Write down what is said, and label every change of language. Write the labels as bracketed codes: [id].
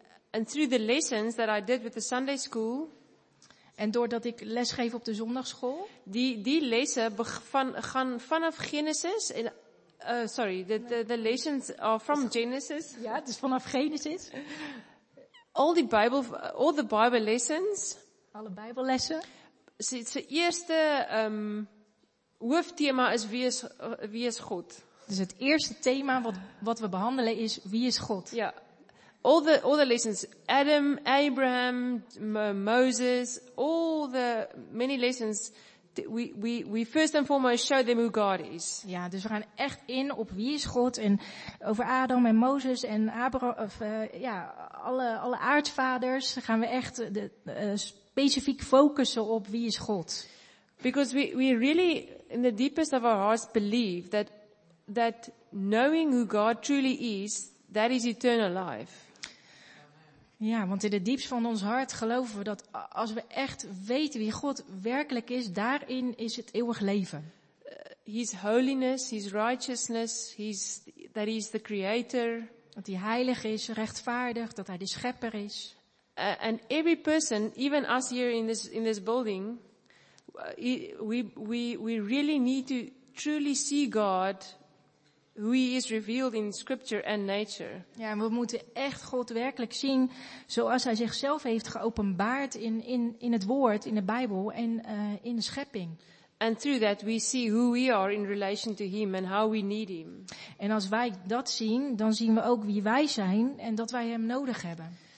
[en] And through the lessons that I did with the Sunday school. [nl] En doordat ik lesgeef op de zondagschool. Die lessen gaan vanaf Genesis. [en] The lessons are from Genesis. [nl] Ja, het is vanaf Genesis. [en] All the Bible lessons. [nl] Alle Bijbellessen. Zijn eerste hoofdthema is wie is God. Dus het eerste thema wat we behandelen is wie is God. Ja. [en] All the lessons, Adam, Abraham, Moses, all the many lessons, we first and foremost show them who God is. [nl] Ja, dus we gaan echt in op wie is God en over Adam en Moses en Abraham, alle aardvaders gaan we echt specifiek focussen op wie is God. [en] Because we really in the deepest of our hearts believe that knowing who God truly is, that is eternal life. [nl] Ja, want in het diepst van ons hart geloven we dat als we echt weten wie God werkelijk is, daarin is het eeuwig leven. [en] His holiness, his righteousness, that he is the creator. [nl] Dat hij heilig is, rechtvaardig, dat hij de schepper is. [en] And every person, even us here in this building, we really need to truly see God. Who he is revealed in scripture and nature. [nl] Ja, we moeten echt God werkelijk zien zoals hij zichzelf heeft geopenbaard in het woord, in de Bijbel en in de schepping. [en] And through that we see who we are in relation to him and how we need him. [nl] En als wij dat zien, dan zien we ook wie wij zijn en dat wij hem nodig hebben.